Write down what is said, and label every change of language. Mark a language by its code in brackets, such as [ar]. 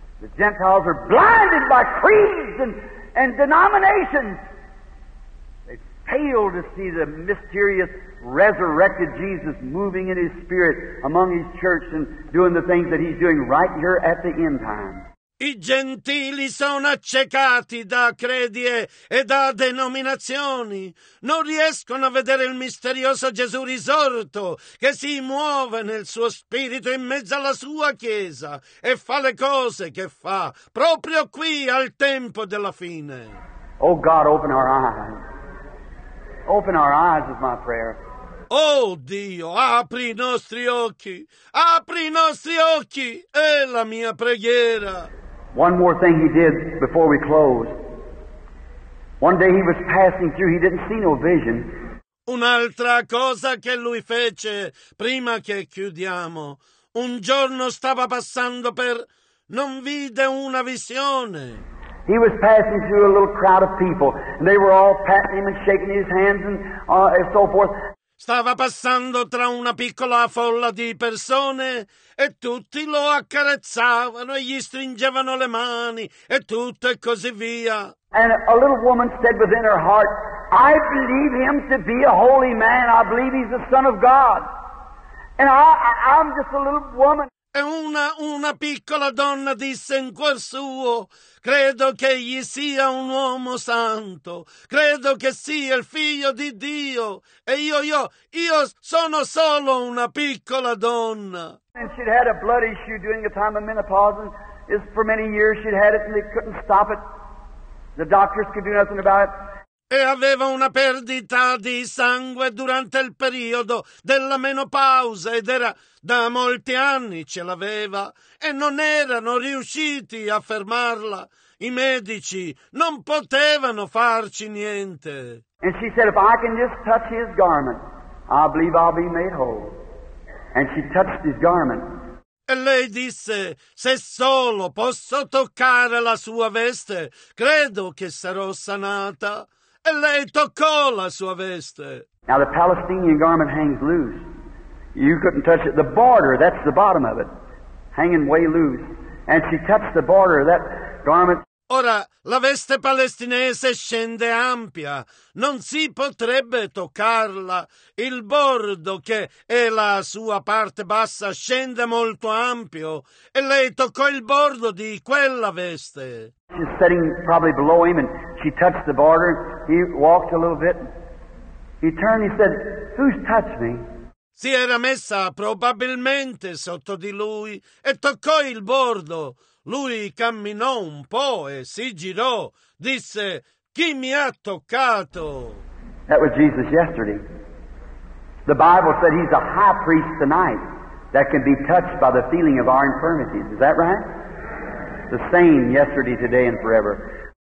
[en] The Gentiles are blinded by creeds and denominations. Fail to see the mysterious resurrected Jesus moving in his spirit among his church and doing the things that he's doing right here at the end time. [it] I gentili sono accecati da credi e da denominazioni. Non riescono a vedere il misterioso Gesù risorto che si muove nel suo spirito in mezzo alla sua chiesa e fa le cose che fa proprio qui al tempo della fine. [en] Oh God, open our eyes. Open our eyes is my prayer. [it] Oh Dio, apri i nostri occhi. Apri i nostri occhi. È la mia preghiera. [en] One more thing he did before we close. One day he was passing through. He didn't see no vision. [it] Un'altra cosa che lui fece prima che chiudiamo. Un giorno stava passando per... Non vide una visione. [en] He was passing through a little crowd of people, and they were all patting him and shaking his hands and so forth. [it] Stava passando tra una piccola folla di persone, e tutti lo accarezzavano, e gli stringevano le mani, e tutto e così via. [en] And a little woman said within her heart, I believe him to be a holy man, I believe he's the Son of God. And I'm just a little woman. [it] E una piccola donna disse in cuor suo, credo che egli sia un uomo santo, credo che sia il figlio di Dio, e io sono solo una piccola donna. [en] And she'd had a blood issue during the time of menopause, and it's for many years she'd had it and they couldn't stop it. The doctors could do nothing about it. [it] E aveva una perdita di sangue durante il periodo della menopausa ed era da molti anni ce l'aveva e non erano riusciti a fermarla. I medici non potevano farci niente. [en] And she said, if I can just touch his garment, I believe I'll be made whole. And she touched his garment. [it] E lei disse, se solo posso toccare la sua veste, credo che sarò sanata. E lei toccò la sua veste. [en] Now the Palestinian garment hangs loose. You couldn't touch it. The border, that's the bottom of it, hanging way loose. And she touched the border of that garment. [it] Ora, la veste palestinese scende ampia. Non si potrebbe toccarla. Il bordo, che è la sua parte bassa, scende molto ampio. E lei toccò il bordo di quella veste. [en] She was sitting probably below him and she touched the border. He walked a little bit. He turned, he said, "Who's touched me?" [it] Si era messa probabilmente sotto di lui e toccò il bordo. Lui camminò un po' e si girò. Disse, "Chi mi ha toccato?" [en] That was Jesus yesterday. The Bible said he's a high priest tonight that can be touched by the feeling of our infirmities. Is that right? The same yesterday, today and forever.